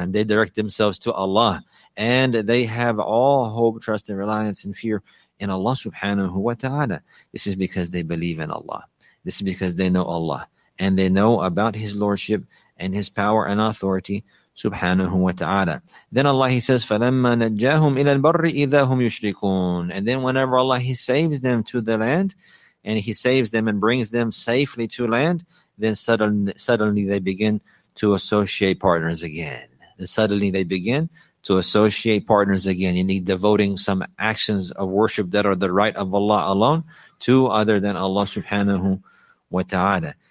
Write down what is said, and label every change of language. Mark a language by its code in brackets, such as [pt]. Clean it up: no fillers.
[en] And they direct themselves to Allah. And they have all hope, trust, and reliance and fear in Allah subhanahu wa ta'ala. This is because they believe in Allah. This is because they know Allah. And they know about His lordship and His power and authority. [ar] Subhanahu wa ta'ala. [en] Then Allah, He says, [ar] فَلَمَّا نَجَّاهُمْ إِلَى الْبَرِّ إِذَا هُمْ يُشْرِكُونَ. [en] And then whenever Allah, He saves them to the land, and He saves them and brings them safely to land, then suddenly they begin to associate partners again. And suddenly they begin to associate partners again. You need devoting some actions of worship that are the right of Allah alone to other than Allah subhanahu wa ta'ala.